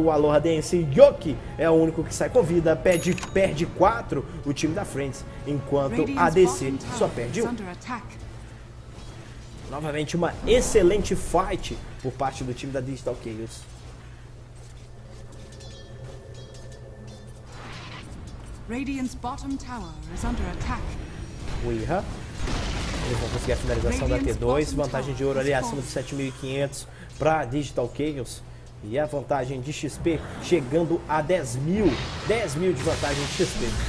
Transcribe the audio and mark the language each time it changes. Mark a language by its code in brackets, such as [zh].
[pt] O Aloha Dance Yoki é o único que sai com vida. Perde 4 o time da Friends, enquanto a DC só perde 1. Novamente uma excelente fight por parte do time da Digital Chaos. [en] Radiant's bottom tower is under attack. [pt] Uiha. Eles vão conseguir a finalização da T2. Vantagem de ouro ali acima de 7.500 para Digital Chaos. E a vantagem de XP chegando a 10 mil. 10 mil de vantagem de XP.